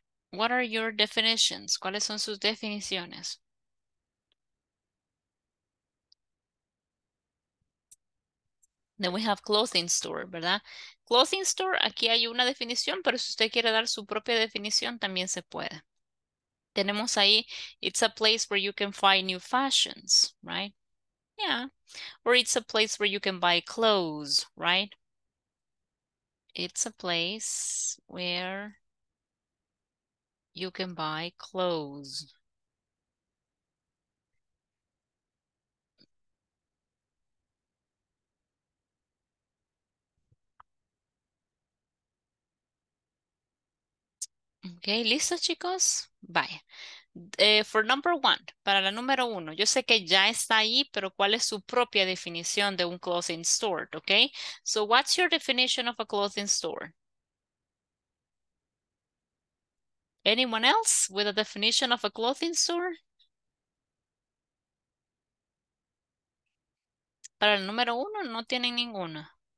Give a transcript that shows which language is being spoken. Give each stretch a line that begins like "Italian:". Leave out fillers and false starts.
English: What are your definitions?
Spanish: ¿Cuáles son sus definiciones?
English: Then we have clothing store,
Spanish: ¿verdad? Clothing store, aquí hay una definición, pero si usted quiere dar su propia definición, también se puede. Tenemos ahí,
English: it's a place where you can find new fashions, right? Yeah. Or it's a place where you can buy clothes, right? It's a place where you can buy clothes. Okay,
Spanish: listo, chicos.
English: Bye. For number one,
Spanish: para la número uno, yo sé que ya está ahí, pero ¿cuál es su propia definición de un clothing store?
English: Okay, so what's your definition of a clothing store? Anyone else with a definition of a clothing store?
Spanish: Para el número uno, no tienen ninguna.